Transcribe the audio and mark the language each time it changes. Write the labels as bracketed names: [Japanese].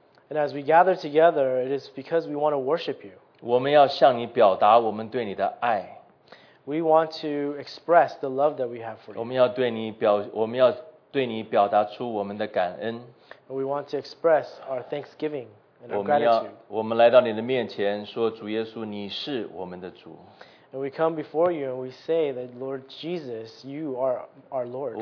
[English] And as we gather together, it is because we want to worship you. [Chinese] 我们要向你表达我们对你的爱。 [English] We want to express the love that we have for you. [Chinese] 我们要对你表达出我们的感恩。 [English] We want to express our thanksgiving and our gratitude. [Chinese] 我们来到你的面前说，主耶稣，你是我们的主。 [English] And we come before you and we say that, Lord Jesus, you are our Lord.